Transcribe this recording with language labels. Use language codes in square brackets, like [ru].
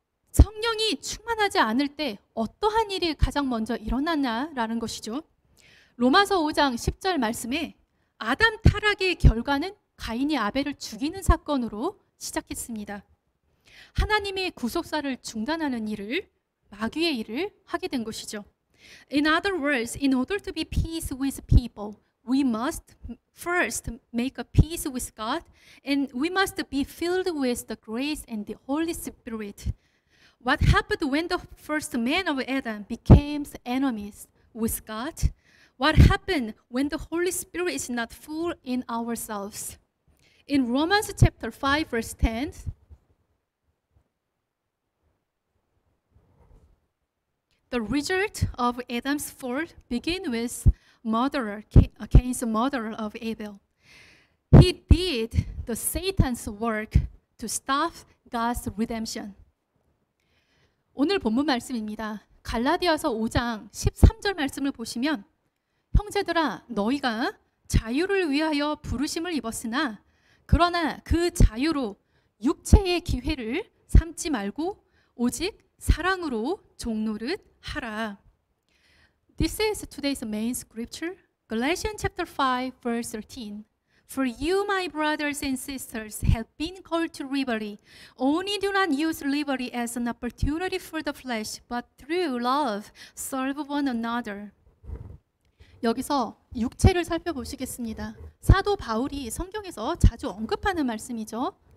[ko] 성령이 충만하지 않을 때 어떠한 일이 가장 먼저 일어났냐라는 것이죠. 로마서 5장 10절 말씀에 아담 타락의 결과는 가인이 아벨을 죽이는 사건으로 시작했습니다. 하나님의 구속사를 중단하는 일을 마귀의 일을 하게 된 것이죠. [en] In other words, in order to be peace with people, we must first make a peace with God and we must be filled with the grace and the Holy Spirit. What happened when the first man of Adam became enemies with God? What happened when the Holy Spirit is not full in ourselves? In Romans chapter 5 verse 10, the result of Adam's fall begins with Cain's murderer of Abel. He did the Satan's work to stop God's redemption. [ko] 오늘 본문 말씀입니다. 갈라디아서 5장 13절 말씀을 보시면 형제들아 너희가 자유를 위하여 부르심을 입었으나 그러나 그 자유로 육체의 기회를 삼지 말고 오직 사랑으로 종노릇 하라. [en] This is today's main scripture, Galatians chapter 5, verse 13. For you, my brothers and sisters, have been called to liberty. Only do not use liberty as an opportunity for the flesh, but through love, serve one another. [ko] 여기서 육체를 살펴보시겠습니다. 사도 바울이 성경에서 자주 언급하는 말씀이죠.